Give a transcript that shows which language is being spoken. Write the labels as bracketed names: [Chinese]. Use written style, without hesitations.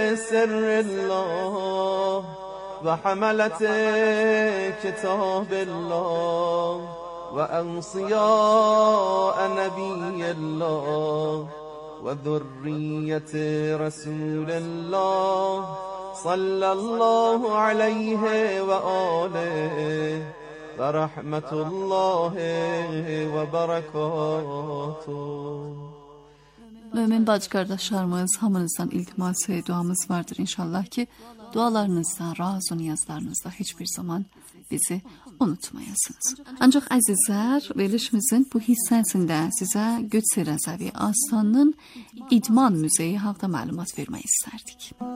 [Arabic] سر الله وحملة كتاب الله وأوصياء نبي الله وذرية رسول الله صلى الله عليه وآله ورحمة الله وبركاته. [Azerbaijani] Mömin bacı qardaşlarımız, hamınızdan iltimas duamız vardır inşallah ki, dualarınızdan razı niyazlarınızda heç bir zaman bizi unutmayasınız. Ancaq əzizlər, verilişimizin bu hissəsində sizə Qüds-i Rəzavi Aslanının İdman Müzeyi haqda məlumat vermək istərdik.